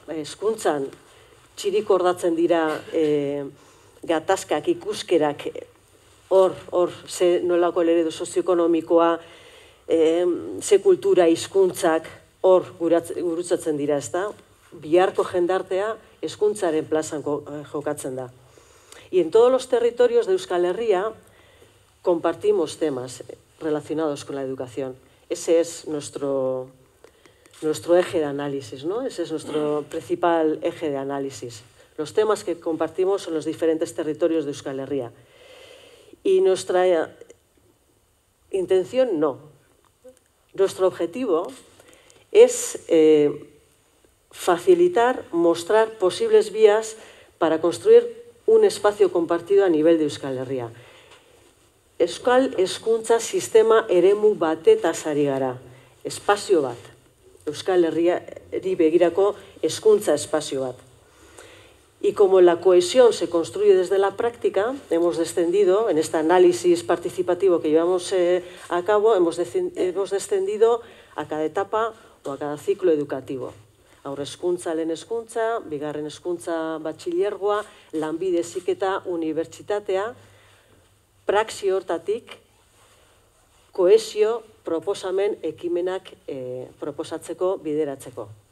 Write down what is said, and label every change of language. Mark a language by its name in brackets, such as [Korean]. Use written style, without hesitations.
[Basque] Hezkuntzan txirikordatzen dira gatazkak, ikuskerak, hor ze nolako eredu sozioekonomikoa, ze kultura, hizkuntzak, hor gurutzatzen dira, ez da? Biharko jendartea hezkuntzaren plazan jokatzen da. [Spanish] Y en todos los territorios de Euskal Herria compartimos temas relacionados con la educación. Ese es nuestro eje de análisis, ¿no? Ese es nuestro principal eje de análisis. Los temas que compartimos son los diferentes territorios de Euskal Herria. Y nuestra intención, no. Nuestro objetivo es facilitar, mostrar posibles vías para construir un espacio compartido a nivel de Euskal Herria. [Basque] Euskal hezkuntza sistema eremu batetaz ari gara. Espazio bat. Euskal Herriari begirako hezkuntza espazio bat. [Spanish] Y como la cohesión se construye desde la práctica, hemos descendido, en este análisis participativo que llevamos a cabo, hemos descendido a cada etapa o a cada ciclo educativo. [Basque] Aurre hezkuntza, lehen hezkuntza, bigarren hezkuntza, batxilergoa, lanbide heziketa, unibertsitatea, praxi hortatik, kohesio, proposamen, ekimenak proposatzeko, bideratzeko.